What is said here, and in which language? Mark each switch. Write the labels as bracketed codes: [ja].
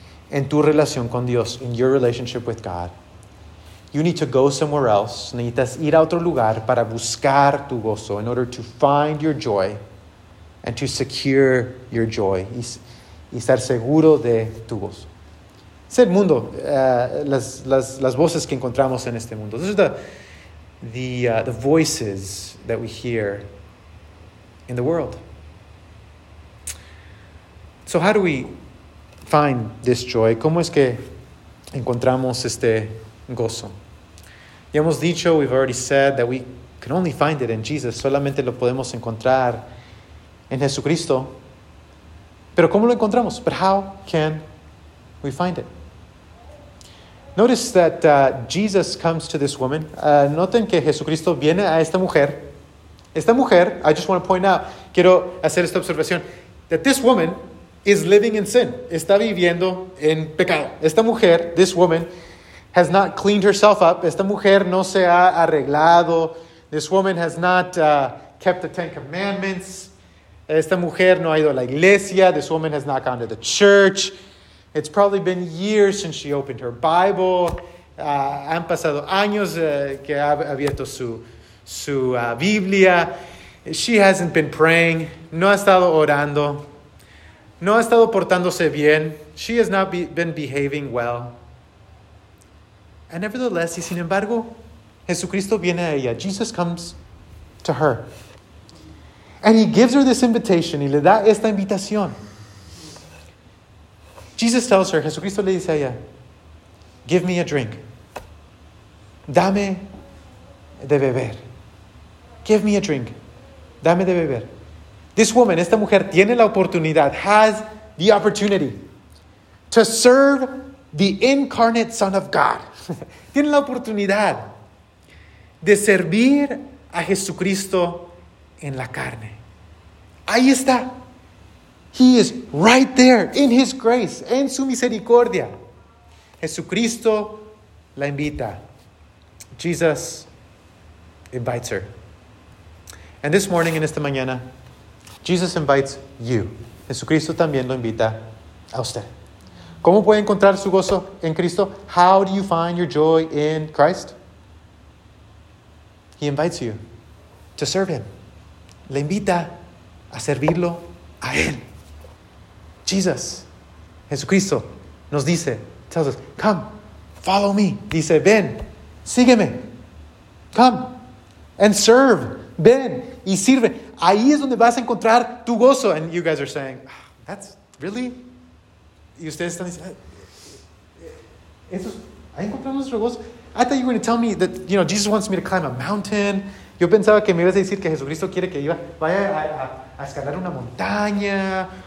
[es] En tu relación con Dios, [en] in your relationship with God. You need to go somewhere else. [es] Necesitas ir a otro lugar para buscar tu gozo, [en] in order to find your joy and to secure your joy. [es] Y estar seguro de tu gozo. Es el mundo, las voces que encontramos en este mundo. [en] This is the voices that we hear in the world. So how do we find this joy? [es] ¿Cómo es que encontramos este gozo? Ya hemos dicho, [en] we've already said that we can only find it in Jesus. [es] Solamente lo podemos encontrar en Jesucristo. Pero ¿cómo lo encontramos? [en] But how can we find it? Notice that Jesus comes to this woman. [es] Noten que Jesucristo viene a esta mujer. Esta mujer, [en] I just want to point out, [es] quiero hacer esta observación, [en] that this woman is living in sin. [es] Está viviendo en pecado. Esta mujer, [en] this woman, has not cleaned herself up. [es] Esta mujer no se ha arreglado. [en] This woman has not kept the Ten Commandments. [es] Esta mujer no ha ido a la iglesia. [en] This woman has not gone to the church. It's probably been years since she opened her Bible. [es] Han pasado años que ha abierto su Biblia. [en] She hasn't been praying. [es] No ha estado orando. No ha estado portándose bien. [en] She has not been behaving well. And nevertheless, [es] y sin embargo, Jesucristo viene a ella. [en] Jesus comes to her. And he gives her this invitation. [es] Y le da esta invitación. [en] Jesus tells her, [es] Jesucristo le dice a ella, [en] give me a drink. [es] Dame de beber. [en] Give me a drink. [es] Dame de beber. [en] This woman, [es] esta mujer, tiene la oportunidad, [en] has the opportunity to serve the incarnate Son of God. [es] Tiene la oportunidad de servir a Jesucristo en la carne. Ahí está. [en] He is right there in his grace, [es] en su misericordia. Jesucristo la invita. [en] Jesus invites her. And this morning, [es] en esta mañana, [en] Jesus invites you. [es] Jesucristo también lo invita a usted. ¿Cómo puede encontrar su gozo en Cristo? [en] How do you find your joy in Christ? He invites you to serve him. [es] Le invita a servirlo a él. [en] Jesus, Jesucristo, [es] nos dice, [en] tells us, come, follow me. [es] Dice, ven, sígueme. [en] Come and serve. [es] Ven y sirve. Ahí es donde vas a encontrar tu gozo. [en] And you guys are saying, that's really? [es] Y ustedes están diciendo, ¿ahí encontramos nuestro gozo? [en] I thought you were going to tell me that, you know, Jesus wants me to climb a mountain. [es] Yo pensaba que me ibas a decir que Jesucristo quiere que vaya a escalar una montaña.